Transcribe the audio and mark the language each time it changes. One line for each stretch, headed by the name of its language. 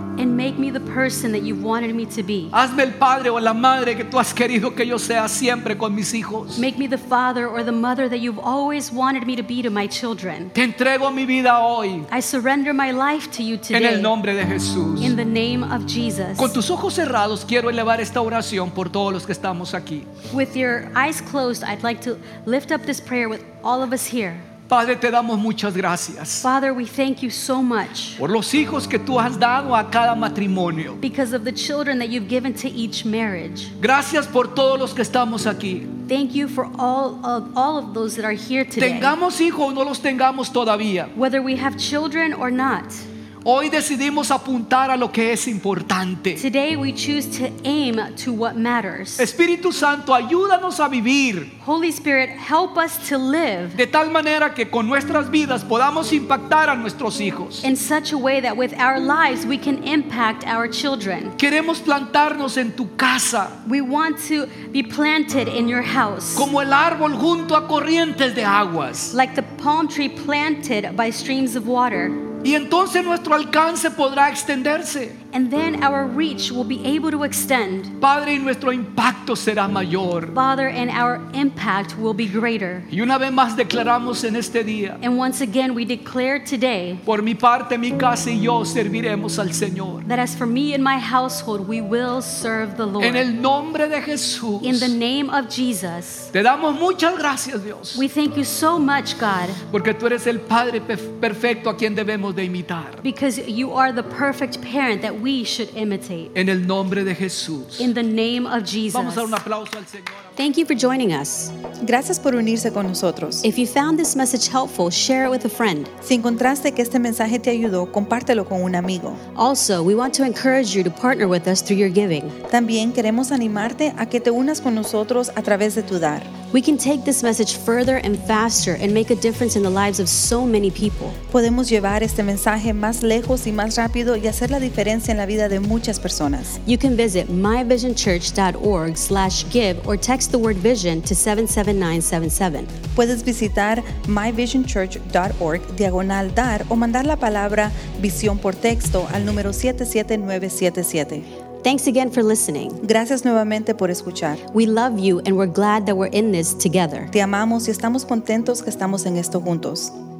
English: And make me the person that you've wanted me to be.
Spanish: Hazme el padre o la madre que tú has querido que yo sea siempre con mis hijos.
English: Make me the father or the mother that you've always wanted me to be to my children.
Spanish: Te entrego mi vida hoy.
English: I surrender my life to you today.
Spanish: En el nombre de Jesús.
English: In the name of Jesus.
Spanish: Con tus ojos cerrados quiero elevar esta oración por todos los que estamos aquí.
English: With your eyes closed, I'd like to lift up this prayer with all of us here.
Spanish: Padre, te damos muchas gracias.
English: Father, we thank you so much.
Spanish: Por los hijos que tú has dado a cada matrimonio.
English: Because of the children that you've given to each marriage.
Spanish: Gracias por todos los que estamos aquí.
English: Thank you for all of those that are here today.
Spanish: Tengamos hijos o no los tengamos todavía.
English: Whether we have children or not.
Spanish: Hoy decidimos apuntar a lo que es importante.
English: Today we choose to aim to what matters.
Spanish: Espíritu Santo, ayúdanos a vivir.
English: Holy Spirit, help us to live.
Spanish: De tal manera que con nuestras vidas podamos impactar a nuestros hijos.
English: In such a way that with our lives we can impact our children.
Spanish: Queremos plantarnos en tu casa.
English: We want to be planted in your house.
Spanish: Como el árbol junto a corrientes de aguas.
English: Like the palm tree planted by streams of water.
Spanish: Y entonces nuestro alcance podrá extenderse.
English: And then our reach will be able to extend.
Spanish: Padre, nuestro impacto será mayor.
English: Father, and our impact will be greater.
Spanish: Y una vez más declaramos en este día.
English: And once again we declare today.
Spanish: Por mi parte, mi casa y yo serviremos al Señor.
English: That as for me and my household, we will serve the Lord.
Spanish: En el nombre de Jesús.
English: In the name of Jesus.
Spanish: Te damos muchas gracias, Dios.
English: We thank you so much, God.
Spanish: Porque tú eres el padre perfecto a quien debemos de imitar.
English: Because you are the perfect parent that we should imitate.
Spanish: En el nombre de Jesús.
English: In the name of Jesus.
Spanish: Vamos a dar un aplauso al Señor.
English: Thank you for joining us.
Spanish: Gracias por unirse con nosotros.
English: If you found this message helpful, share it with a friend.
Spanish: Si encontraste que este mensaje te ayudó, compártelo con un amigo.
English: Also, we want to encourage you to partner with us through your giving.
Spanish: También queremos animarte a que te unas con nosotros a través de tu dar.
English: We can take this message further and faster and make a difference in the lives of so many people.
Spanish: Podemos llevar este mensaje más lejos y más rápido y hacer la diferencia en la vida de muchas personas.
English: You can visit myvisionchurch.org/give or text the word vision to 77977.
Spanish: Puedes visitar myvisionchurch.org/dar o mandar la palabra visión por texto al número 77977.
English: Thanks again for listening.
Spanish: Gracias nuevamente por escuchar.
English: We love you and we're glad that we're in this together.
Spanish: Te amamos y estamos contentos que estamos en esto juntos.